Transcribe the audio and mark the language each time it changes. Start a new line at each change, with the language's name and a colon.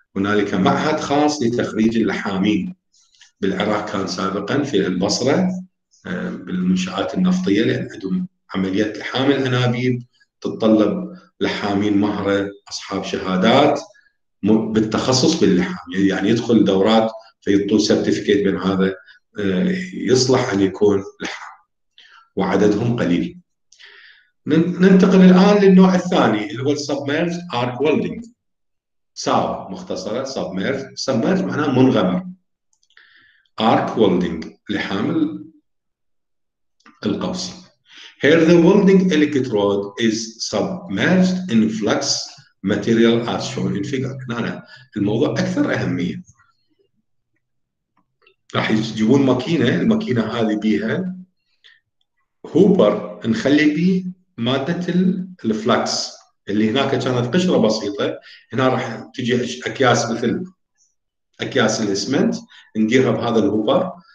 Arabic: هنالك معهد خاص لتخريج اللحامين بالعراق، كان سابقا في البصرة بالمنشآت النفطية، لأن عندهم عمليات لحام الأنابيب تتطلب لحامين مهرة أصحاب شهادات بالتخصص باللحام، يعني يدخل دورات فيطلع سيرتيفيكيت من هذا يصلح أن يكون لحام، وعددهم قليل. ننتقل الآن للنوع الثاني اللي هو Submerged Arc Welding، ساو مختصرة Submerged. Submerged معناه منغمر. Arc Welding لحام القوس.
English: Here the welding electrode is submerged in flux material as shown in figure.
Arabic: هنا الموضوع أكثر أهمية. راح يجيبون ماكينة، الماكينة هذه بيها هوبر، نخلي بيه مادة الفلكس اللي هناك كانت قشرة بسيطة، هنا راح تجي أكياس مثل أكياس الإسمنت، نديرها بهذا الهوبر.